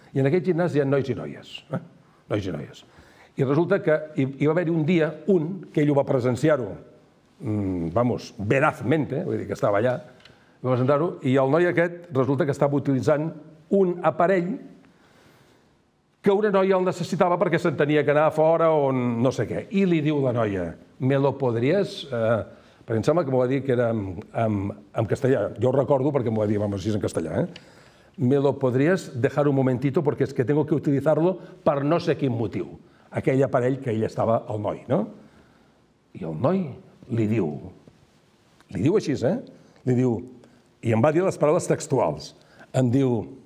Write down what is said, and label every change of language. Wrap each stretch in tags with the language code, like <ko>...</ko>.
<ca>I en aquest gimnàs hi ha nois i noies. Nois i noies. I resulta que hi va haver-hi un dia, un, que ell ho va presenciar-ho, vamos, verazmente, vull dir que estava allà, i el noi aquest resulta que estava utilitzant un aparell que una noia el necessitava perquè s'entenia que anava fora o no sé què. I li diu la noia,</ca> <es>me lo podrías...</es> <ca>Perquè em sembla que m'ho va dir que era en castellà. Jo ho recordo perquè m'ho va dir, vamos, si és en castellà.</ca> <es>Me lo podrías dejar un momentito porque es que tengo que utilizarlo</es> <ca>per no sé quin motiu. Aquell aparell que ell estava al noi, no? I el noi li diu... Li diu així, Li diu... I em va dir les paraules textuals. Em diu...</ca>